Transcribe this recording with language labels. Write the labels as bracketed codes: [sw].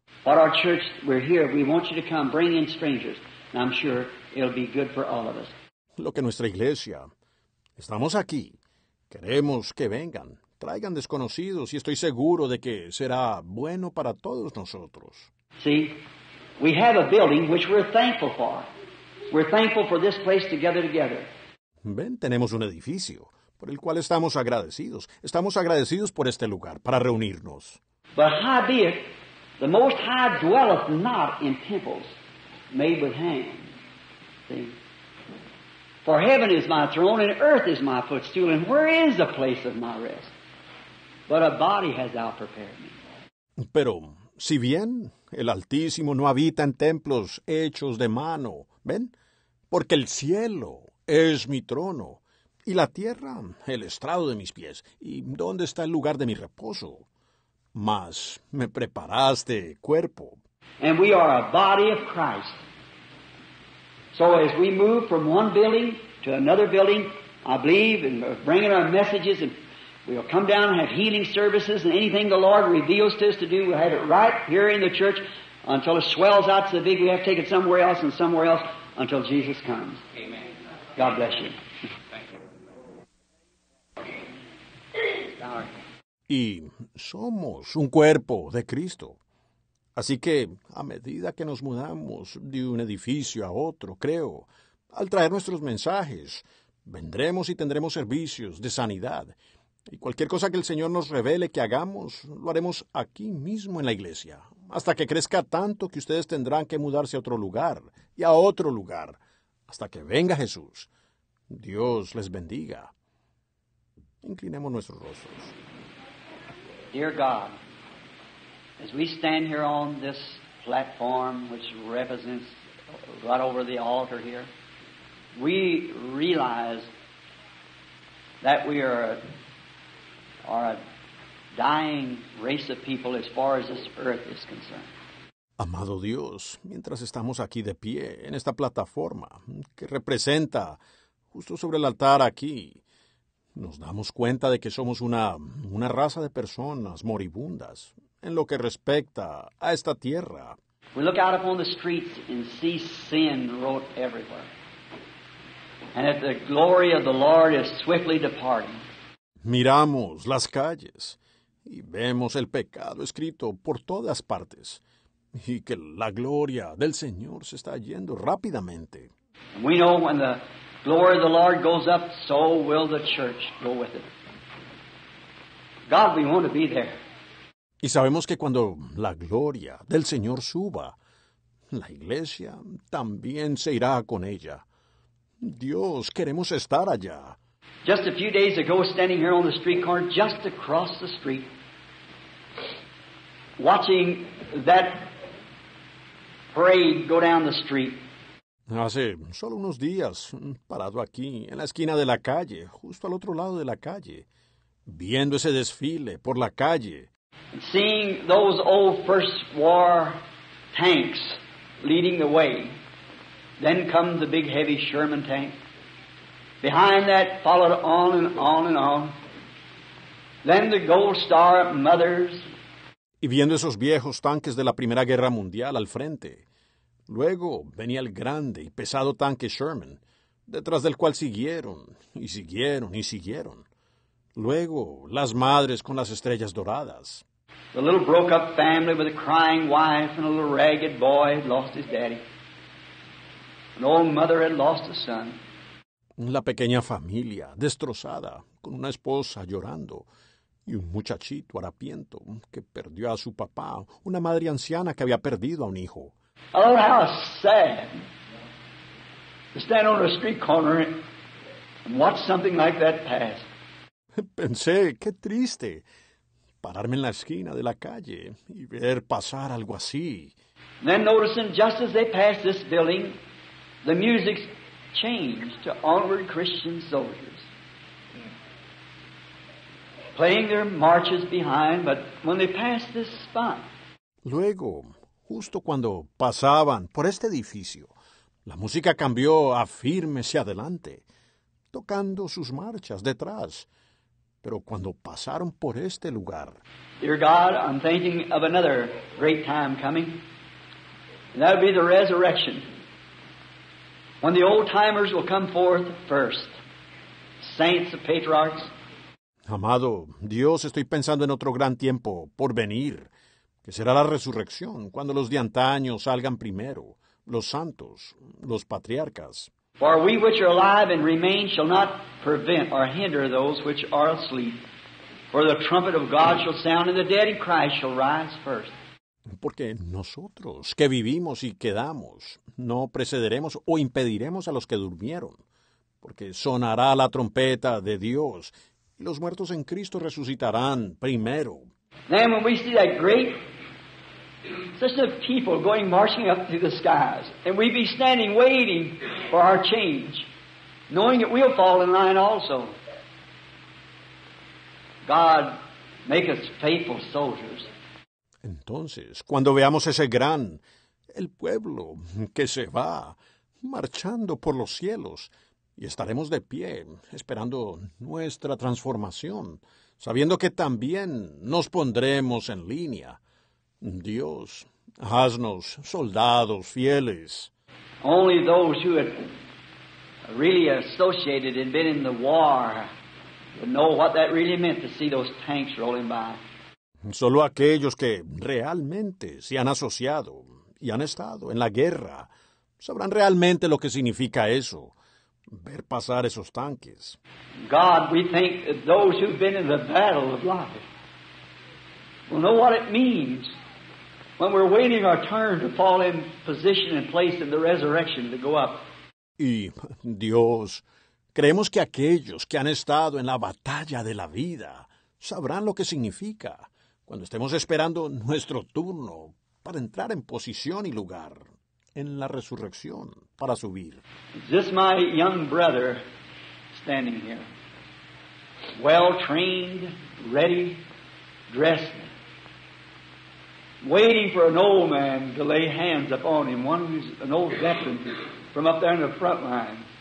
[en] But our church, we're here. We want you to come. Bring in strangers. And I'm sure it'll be good for all of us. [es] Lo que nuestra iglesia... Estamos aquí. Queremos que vengan. Traigan desconocidos y estoy seguro de que será bueno para todos nosotros. [en] See, we have a building which we're thankful for. We're thankful for this place together, together. [es] Ven, tenemos un edificio por el cual estamos agradecidos. Estamos agradecidos por este lugar para reunirnos. [en] But howbeit, the Most High dwelleth not in temples made with hands. See? For heaven is my throne, and earth is my footstool, and where is the place of my rest? But a body has thou prepared me. [es] Pero, si bien el Altísimo no habita en templos hechos de mano, ¿ven? Porque el cielo es mi trono, y la tierra el estrado de mis pies, y ¿dónde está el lugar de mi reposo? Mas me preparaste cuerpo. [en] And we are a body of Christ. So as we move from one building to another building, I believe, and bring in our messages, and we'll come down and have healing services, and anything the Lord reveals to us to do, we'll have it right here in the church until it swells out so big we have to take it somewhere else and somewhere else until Jesus comes. Amen. God bless you. Thank you. [es] Y somos un cuerpo de Cristo. Así que, a medida que nos mudamos de un edificio a otro, creo, al traer nuestros mensajes, vendremos y tendremos servicios de sanidad. Y cualquier cosa que el Señor nos revele que hagamos, lo haremos aquí mismo en la iglesia, hasta que crezca tanto que ustedes tendrán que mudarse a otro lugar y a otro lugar, hasta que venga Jesús. Dios les bendiga. Inclinemos nuestros rostros. [en] Dear God, as we stand here on this platform, which represents right over the altar here, we realize that we are a dying race of people as far as this earth is concerned. [es] Amado Dios, mientras estamos aquí de pie, en esta plataforma, que representa justo sobre el altar aquí, Nos damos cuenta de que somos una raza de personas moribundas en lo que respecta a esta tierra. [en] We look out upon the streets and see sin wrote everywhere. And that the glory of the Lord is swiftly departing. [es] Miramos las calles y vemos el pecado escrito por todas partes. Y que la gloria del Señor se está yendo rápidamente. [en] And we know when the glory of the Lord goes up, so will the church go with it. God, we want to be there. [es] Y sabemos que cuando la gloria del Señor suba, la iglesia también se irá con ella. Dios, queremos estar allá. [en] Just a few days ago, standing here on the street corner, just across the street, watching that parade go down the street. [es] Hace solo unos días, parado aquí, en la esquina de la calle, justo al otro lado de la calle, viendo ese desfile por la calle. [en] Seeing those old First War tanks leading the way. Then comes the big heavy Sherman tank. Behind that followed on and on and on. Then the Gold Star Mothers. [es] Y viendo esos viejos tanques de la Primera Guerra Mundial al frente. Luego venía el grande y pesado tanque Sherman, detrás del cual siguieron y siguieron y siguieron. Luego las madres con las estrellas doradas. [en] The little broke up family with a crying wife and a little ragged boy had lost his daddy. An old mother had lost a son. [es] La pequeña familia destrozada con una esposa llorando y un muchachito harapiento que perdió a su papá, una madre anciana que había perdido a un hijo. [en] Oh, how sad to stand on a street corner and watch something like that pass. [es] Pensé, qué triste. Pararme en la esquina de la calle y ver pasar algo así. [en] Then noticing just as they passed this building, the music changed to Onward Christian Soldiers. Playing their marches behind, but when they passed this spot. [es] Luego, justo cuando pasaban por este edificio, la música cambió a Fírmese Adelante, tocando sus marchas detrás. Pero cuando pasaron por este lugar. [en] Dear God, I'm thinking of another great time coming. And that would be the resurrection. When the old timers will come forth first. Saints and patriarchs. [es] Amado Dios, estoy pensando en otro gran tiempo por venir. Que será la resurrección, cuando los de antaño salgan primero. Los santos, los patriarcas. [en] For we which are alive and remain shall not prevent or hinder those which are asleep. For the trumpet of God shall sound, and the dead in Christ shall rise first. [es] Porque nosotros que vivimos y quedamos, no precederemos o impediremos a los que durmieron. Porque sonará la trompeta de Dios, y los muertos en Cristo resucitarán primero. [en] Then when we see that great such a people going marching up through the skies, and we be standing waiting for our change, knowing that we'll fall in line also. God, make us faithful soldiers. [es] Entonces, cuando veamos ese gran, el pueblo que se va marchando por los cielos, y estaremos de pie esperando nuestra transformación, sabiendo que también nos pondremos en línea. Dios, haznos soldados fieles. [en] Only those who had really associated and been in the war would know what that really meant to see those tanks rolling by. [es] Solo aquellos que realmente se han asociado y han estado en la guerra sabrán realmente lo que significa eso, ver pasar esos tanques. [en] God, we think those who've been in the battle of life will know what it means. When we're waiting our turn to fall in position and place in the resurrection to go up. [es] Y Dios, creemos que aquellos que han estado en la batalla de la vida sabrán lo que significa cuando estemos esperando nuestro turno para entrar en posición y lugar en la resurrección para subir. [en] Is this my young brother standing here? Well trained, ready, dressed. Waiting for an old man to lay hands upon him, one who's an old veteran from up there in the front line.